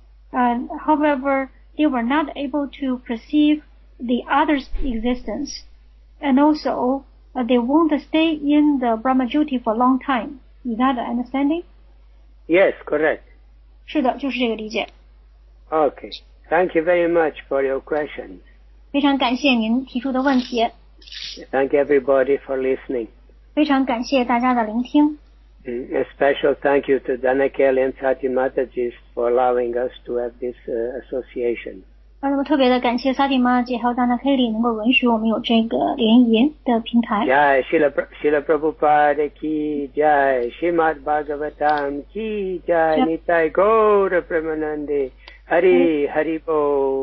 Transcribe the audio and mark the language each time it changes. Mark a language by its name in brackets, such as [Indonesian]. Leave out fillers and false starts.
[English] However, they were not able to perceive the other's existence, and also. They won't stay in the Brahma Jyoti for a long time. Is that the understanding? Yes, correct. [Chinese] 是的，就是这个理解。 [English] Okay, thank you very much for your questions. [Chinese] 非常感谢您提出的问题。 [English] Thank everybody for listening. [Chinese] 非常感谢大家的聆听。 [English] A special thank you to Danakel and Sati Mataji for allowing us to have this association. [Chinese] 那么特别的感谢萨蒂玛姐和丹娜凯莉能够允许我们有这个联谊的平台。 [Sanskrit] Jai Srila Prabhupada ki Jai Srimad Bhagavatam ki Jai Nitai Gaura Premanande Hari Hari Bo.